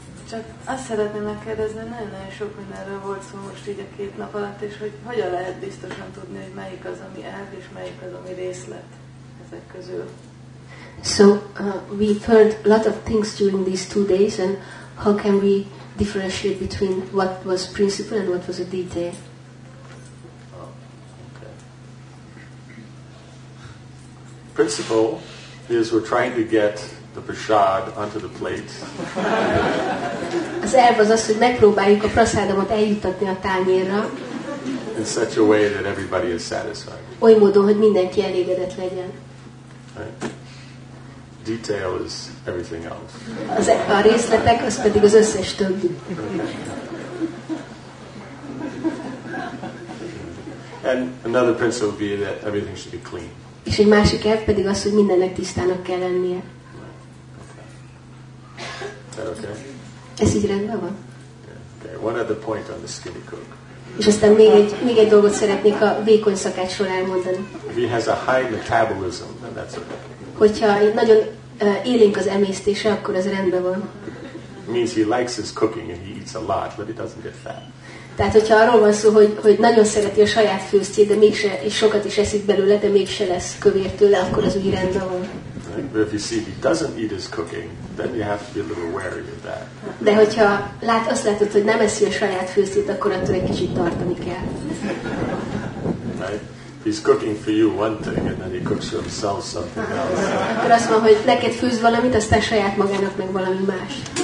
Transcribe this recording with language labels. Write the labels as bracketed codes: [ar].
[hu] Csak azt szeretném megkérdezni, nagyon-nagyon sok mindenről volt szó most így a két nap alatt, és hogy hogyan lehet biztosan tudni, hogy melyik az, ami elv, és melyik az, ami részlet ezek közül. [en] So we've heard a lot of things during these 2 days, and how can we differentiate between what was principle and what was a detail? Principle is we're trying to get the prasad onto the plate. [hu] Az elv az az, hogy megpróbáljuk a prasadamot eljuttatni a tányérra. [en] In such a way that everybody is satisfied. [hu] Oly módon, hogy mindenki elégedett legyen. [en] Detail is everything else. [hu] Az a részletek, az pedig az összes többi. [en] And another principle would be that everything should be clean. [hu] És egy másik elv pedig az, hogy mindennek tisztának kell lennie. [en] Okay. [hu] Ez így rendben van? [en] Okay. One other point on the skinny cook. [hu] És aztán még egy dolgot szeretnék a vékony szakácsról elmondani. [en] If he has a high metabolism, then that's okay. [hu] Hogyha nagyon élénk az emésztése, akkor az rendben van. [en] It means he likes his cooking and he eats a lot, but he doesn't get fat. [hu] Tehát, hogyha arról van szó, hogy nagyon szereti a saját főztjét, de mégse, és sokat is eszik belőle, de mégse lesz kövér tőle, akkor az úgy rendben van. [en] But if you see he doesn't eat his cooking, then you have to be a little wary of that. [hu] De hogyha azt látod, hogy nem eszi a saját főztjét, akkor attól egy kicsit tartani kell. [en] Right? He's cooking for you one thing, and then he cooks for himself something else. [hu] Akkor azt mondom, hogy neked főz valamit, aztán saját magának meg valami más.